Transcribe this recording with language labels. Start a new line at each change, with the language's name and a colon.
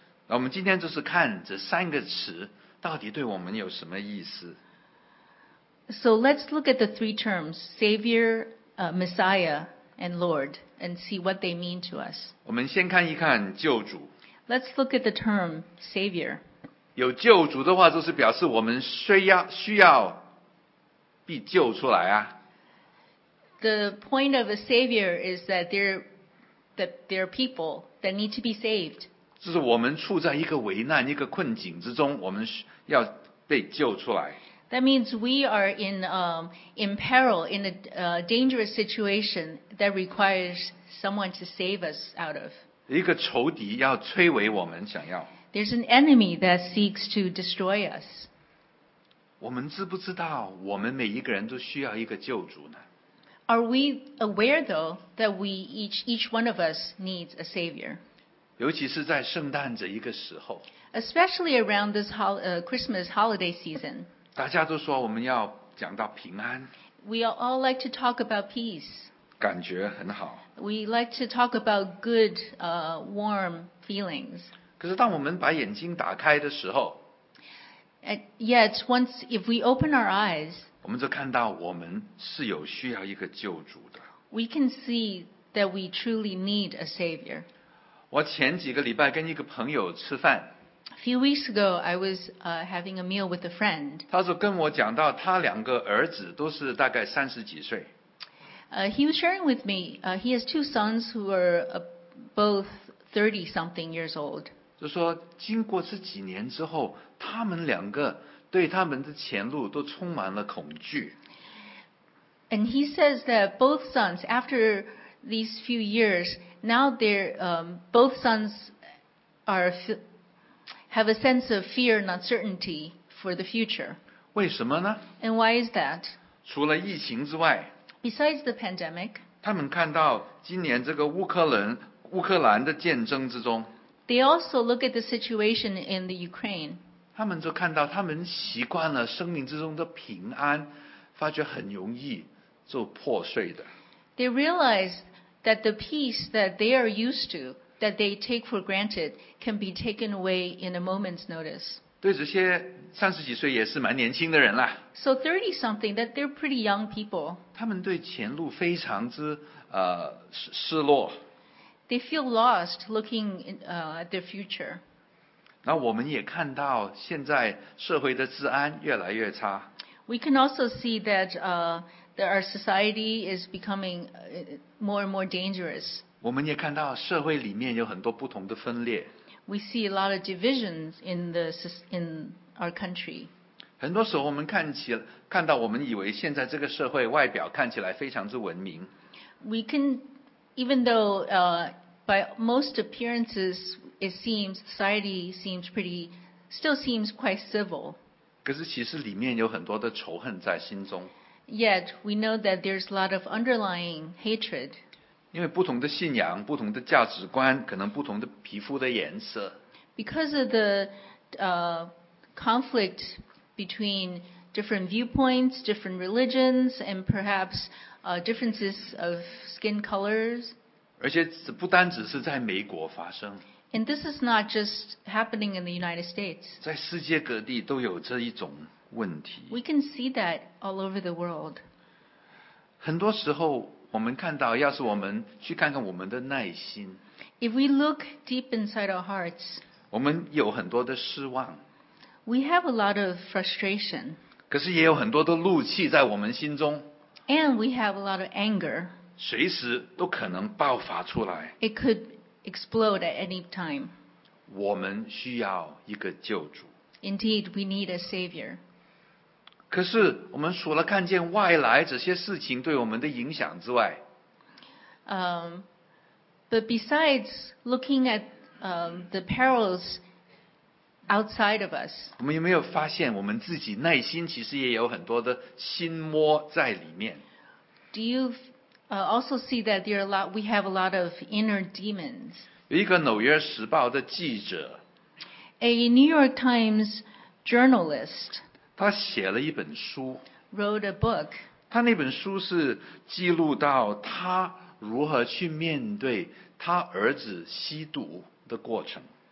Chinese: 那我们今天就是看这三个词到底对我们有什么意思。
English: So let's look at the three terms, Savior, Messiah,and Lord, and see what they mean to us.
Chinese: 我们先看一看救主。
English: Let's look at the term Savior.
Chinese: 有救主的话，就是表示我们需要被救出来啊。
English: The point of a Savior is that there are people that need to be saved.
Chinese: 就是我们处在一个危难、一个困境之中，我们要被救出来。
English: That means we are in peril, in a dangerous situation that requires someone to save us out of.
Chinese: 一个仇敌要摧毁我们，想要。
English: There's an enemy that seeks to destroy us.
Chinese: 我们知不知道我们每一个人都需要一个救主呢？
English: Are we aware, though, that we each one of us needs a savior?
Chinese: 尤其是在圣诞这一个时候。
English: Especially around this Christmas holiday season.
Chinese: 大家都说我们要讲到平安。
English: We all like to talk about peace.
Chinese: 感觉很好。
English: We like to talk about good, warm feelings.
Chinese: 可是当我们把眼睛打开的时候
English: ，Yet once if we open our eyes,
Chinese: 我们就看到我们是有需要一个救主的。
English: We can see that we truly need a savior.
Chinese: 我前几个礼拜跟一个朋友吃饭。
English: A few weeks ago, I was having a meal with a friend.
Chinese: 他说跟我讲到他两个儿子都是大概三十几岁。
English: He was sharing with me, he has two sons who are both 30-something years old.
Chinese: 就说经过这几年之后，他们两个对他们的前路都充满了恐惧。
English: And he says that both sons, after these few years, now they're, both sons are have a sense of fear and uncertainty for the future.
Chinese: 为什么呢?
English: And why is that?
Chinese: 除了疫情之外,
English: Besides the pandemic,
Chinese: 他们看到今年这个乌克兰的战争之中,
English: They also look at the situation in the Ukraine.
Chinese: 他们就看到他们习惯了生命之中的平安, 发觉很容易就破碎的。
English: They realize that the peace that they are used toThat they take for granted can be taken away in a moment's notice.
Chinese: 对这些三十几岁也是蛮年轻的人了。
English: So 30 something, that they're pretty young people.
Chinese: 他们对前路非常之失落。
English: They feel lost looking at their future.
Chinese: 那我们也看到现在社会的治安越来越差。
English: We can also see that our society is becoming more and more dangerous.
Chinese: 我们也看到社会里面有很多不同的分裂。
English: We see a lot of divisions in our country.
Chinese: 很多时候我们看到我们以为现在这个社会外表看起来非常之文明。
English: We can, even though by most appearances, it seems society seems pretty, still seems quite civil.
Chinese: 可是其实里面有很多的仇恨在心中。
English: Yet, we know that there's a lot of underlying hatred.
Chinese: 因为不同的信仰、不同的价值观、可能不同的皮肤的颜色。
English: Because of the conflict between different viewpoints, different religions, and perhaps differences of skin colors.
Chinese: 而且不单只是在美国发生。
English: And this is not just happening in the United States.
Chinese: 在世界各地都有这一种问题。
English: We can see that all over the world.
Chinese: 很多时候我们看到，要是我们去看看我们的内心。
English: If we look deep inside our hearts,
Chinese: 我们有很多的失望。
English: We have a lot of frustration.
Chinese: 可是也有很多的怒气在我们心中。
English: And we have a lot of anger.
Chinese: 随时都可能爆发出来。
English: It could explode at any time.
Chinese: 我们需要一个救主。
English: Indeed, we need a savior.
Chinese: 可是我们除了看见外来这些事情对我们的影响之外
English: But besides looking at the perils outside of us
Chinese: 我们有没有发现我们自己内心其实也有很多的心魔在里面
English: Do you also see that there are a lot, we have a lot of inner demons
Chinese: 有一个纽约时报的记者
English: A New York Times journalist
Chinese: 他写了一本书
English: wrote a book.
Chinese: 他那本书是记录到他如何去面对他儿子吸毒的过程